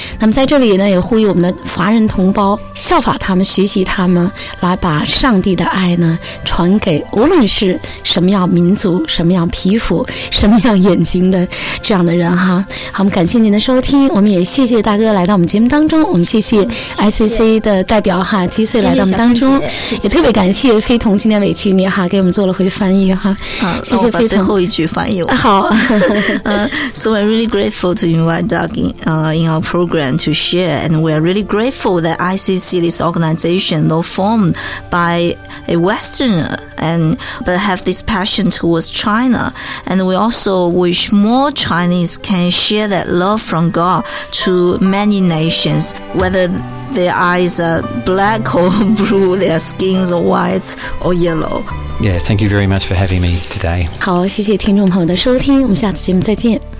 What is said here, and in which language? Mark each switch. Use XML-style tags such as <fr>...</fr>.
<zh>那么在这里呢，也呼吁我们的华人同胞效法他们，学习他们，来把上帝的爱呢传给无论是什么样民族、什么样皮肤、什么样眼睛的这样的人哈。好，我们感谢您的收听，我们也谢谢大哥来到我们节目当中，我们谢谢ICC 的代表哈吉穗来到我们当中，也特别感谢非同今天委屈你哈，给我们做了回翻译哈。好，谢谢非同。最后一句翻译完。好。</zh> <en>So we're really grateful to invite Doug in our program to share, and we're really grateful that ICC, this organization, though formed by a Westerner, and but have this passion towards China, and we also wish more Chinese can share that love from God to many nations, whether their eyes are black or blue, their skins are white or yellow. Yeah, thank you very much for having me today.</en> <zh>好，谢谢听众朋友的收听，我们下次节目再见。</zh>